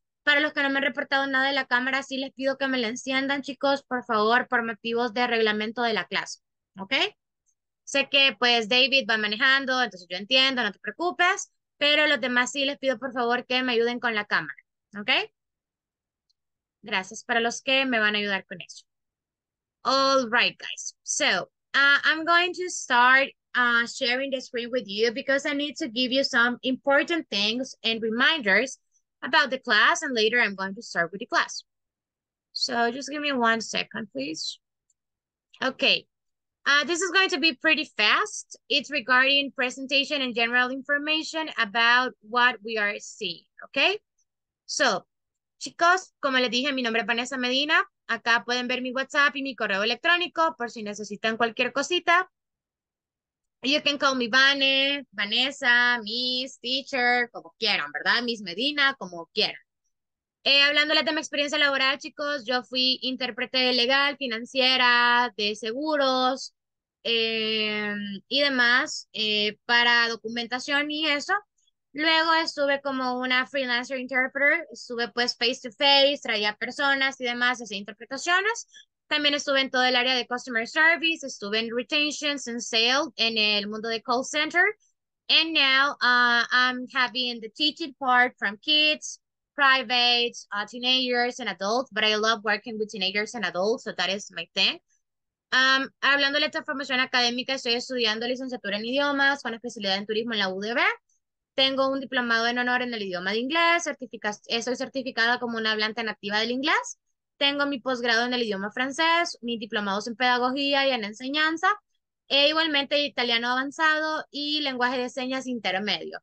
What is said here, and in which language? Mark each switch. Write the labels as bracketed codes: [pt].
[es] Para los que no me han reportado nada de la cámara, sí les pido que me la enciendan, chicos, por favor, por motivos de reglamento de la clase. ¿Ok? Sé que pues David va manejando, entonces yo entiendo, no te preocupes, pero los demás sí les pido por favor que me ayuden con la cámara, ¿ok? Gracias para los que me van a ayudar con eso. [en] All right, guys. So, I'm going to start sharing the screen with you because I need to give you some important things and reminders about the class, and later I'm going to start with the class. So, just give me 1 second, please. Okay. This is going to be pretty fast. It's regarding presentation and general information about what we are seeing, okay? [es] So, chicos, como les dije, mi nombre es Vanessa Medina. Acá pueden ver mi WhatsApp y mi correo electrónico por si necesitan cualquier cosita. [en] You can call me Vane, Vanessa, Miss, Teacher, [es] como quieran, ¿verdad? Miss Medina, como quieran. Hablándoles de mi experiencia laboral, chicos, yo fui intérprete legal, financiera, de seguros y demás para documentación y eso. Luego estuve como una [en] freelancer interpreter, [es] estuve pues [en] face to face, [es] traía personas y demás, hacía interpretaciones. También estuve en todo el área de [en] customer service, [es] estuve en [en] retentions and sale [es] en el mundo de [en] call center. And now I'm having the teaching part from kids. Privates, teenagers and adults, but I love working with teenagers and adults, so that is my thing. [es] Hablando de esta formación académica, estoy estudiando licenciatura en idiomas con especialidad en turismo en la UDV. Tengo un diplomado en honor en el idioma de inglés, soy certificada como una hablante nativa del inglés. Tengo mi posgrado en el idioma francés, mis diplomados en pedagogía y en enseñanza, e igualmente italiano avanzado y lenguaje de señas intermedio.